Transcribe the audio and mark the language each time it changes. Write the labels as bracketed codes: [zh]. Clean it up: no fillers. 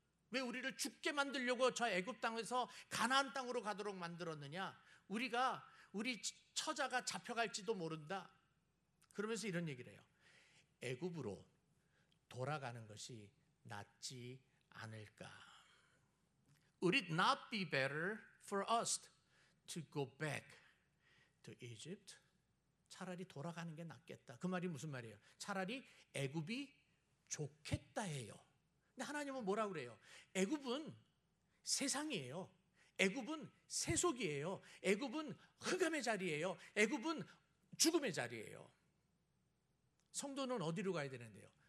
[ko] 왜 우리를 죽게 만들려고 저 애굽 땅에서 가나안 땅으로 가도록 만들었느냐? 우리가 우리 처자가 잡혀갈지도 모른다. 그러면서 이런 얘기를 해요. 애굽으로 돌아가는 것이 낫지 않을까? [en] Would it not be better for us to go back to Egypt? [ko] 차라리 돌아가는 게 낫겠다. 그 말이 무슨 말이에요? 차라리 애굽이 좋겠다 해요. 근데 하나님은 뭐라고 그래요? 애굽은 세상이에요. 애굽은 세속이에요. 애굽은 흑암의 자리예요. 애굽은 죽음의 자리예요. 성도는 어디로 가야 되는데요?